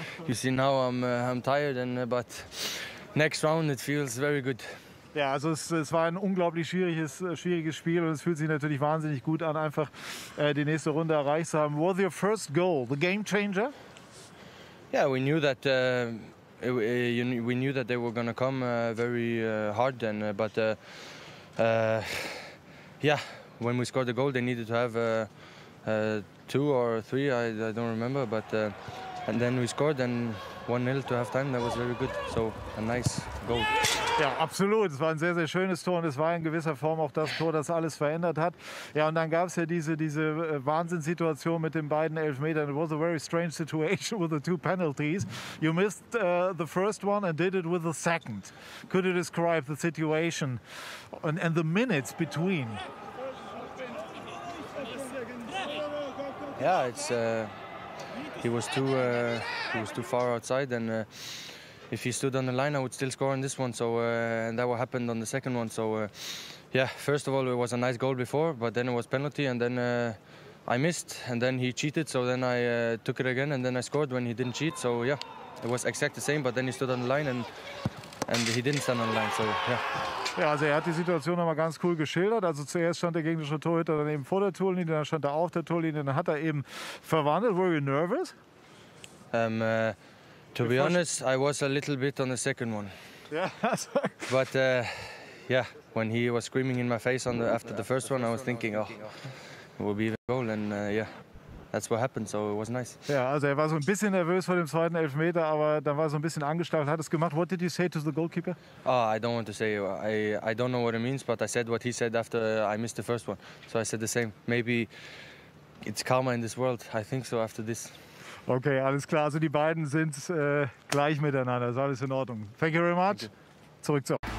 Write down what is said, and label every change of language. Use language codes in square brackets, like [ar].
[en] You see, now I'm tired, but next round it feels very good. [de] Ja, also es war ein unglaublich schwieriges Spiel und es fühlt sich natürlich wahnsinnig gut an, einfach die nächste Runde erreicht zu haben. [en] Was your first goal, the game changer? Yeah, we knew that we knew that they were gonna come very hard then, but yeah, when we scored the goal, they needed to have two or three, I don't remember, but and then we scored and 1-0 to halftime, that was very good, so a nice goal. [de] Ja, absolut. Es war ein sehr, sehr schönes Tor und es war in gewisser Form auch das Tor, das alles verändert hat. Ja, und dann gab es ja diese Wahnsinnssituation mit den beiden Elfmetern. [en] It was a very strange situation with the two penalties. You missed the first one and did it with the second. Could you describe the situation and the minutes between? Yeah, it's he was too far outside and if he stood on the line, I would still score on this one. So and that what happened on the second one. So yeah, first of all, it was a nice goal before, but then it was penalty, and then I missed, and then he cheated. So then I took it again, and then I scored when he didn't cheat. So yeah, it was exact the same, but then he stood on the line, and he didn't stand on the line. So yeah. [de] Ja, also er hat die Situation nochmal ganz cool geschildert. Also zuerst stand der gegnerische Torhüter dann eben vor der Torlinie, dann stand er auf der Torlinie, dann hat eben verwandelt. [en] Were you nervous? To be honest, I was a little bit on the second one. Yeah. But yeah, when he was screaming in my face on the after the first one, I was thinking, oh, it will be a goal, and yeah, that's what happened. So it was nice. [de] Yeah, also er war so ein bisschen nervös vor dem zweiten Elfmeter, aber dann war so ein bisschen angestachelt, hat es gemacht. [en] What did you say to the goalkeeper? Oh, I don't want to say. I don't know what it means, but I said what he said after I missed the first one. So I said the same. Maybe it's karma in this world. I think so after this. [de] Okay, alles klar. Also die beiden sind gleich miteinander. Ist alles in Ordnung. [en] Thank you very much. You. [de] Zurück zu.